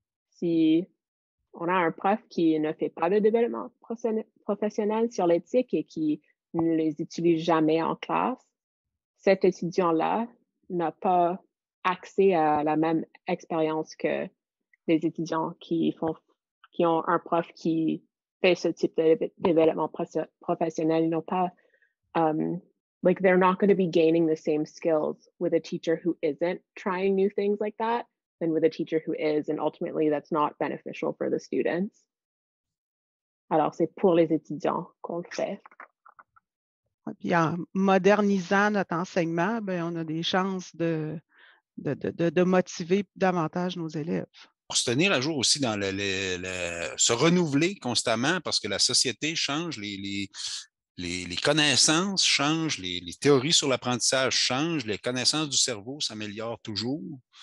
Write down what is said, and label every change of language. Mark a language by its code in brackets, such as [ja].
[fr] si on a un prof qui ne fait pas de développement professionnel sur l'éthique et qui ne les utilise jamais en classe, cet étudiant-là n'a pas accès à la même expérience que les étudiants qui ont un prof qui fait ce type de développement professionnel. Ils n'ont pas, [en] like, they're not going to be gaining the same skills with a teacher who isn't trying new things like that than with a teacher who is, and ultimately that's not beneficial for the students. [fr] Alors, c'est pour les étudiants qu'on le fait. Puis en modernisant notre enseignement, bien, on a des chances de motiver davantage nos élèves. Pour se tenir à jour aussi dans le se renouveler constamment parce que la société change, les connaissances changent, les théories sur l'apprentissage changent, les connaissances du cerveau s'améliorent toujours.